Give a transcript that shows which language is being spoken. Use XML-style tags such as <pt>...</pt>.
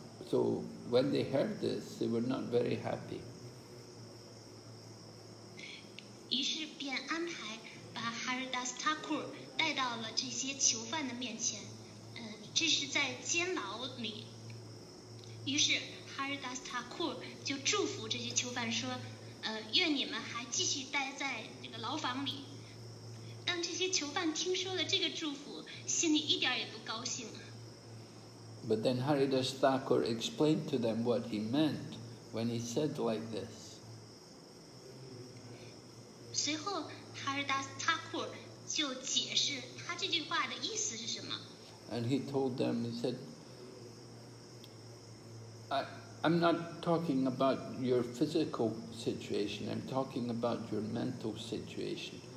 <en>So when they heard this, they were not very happy.</en> <zh>于是便安排把哈尔达斯塔库带到了这些囚犯的面前，这是在监牢里。于是哈尔达斯塔库就祝福这些囚犯说，愿你们还继续待在这个牢房里。当这些囚犯听说了这个祝福，心里一点也不高兴了。</zh> <en>But then Haridas Thakur explained to them what he meant when he said like this.</en> <zh>随后 Haridas Thakur 就解释他这句话的意思是什么。</zh> <en>And he told them, he said, I'm not talking about your physical situation, I'm talking about your mental situation.</en>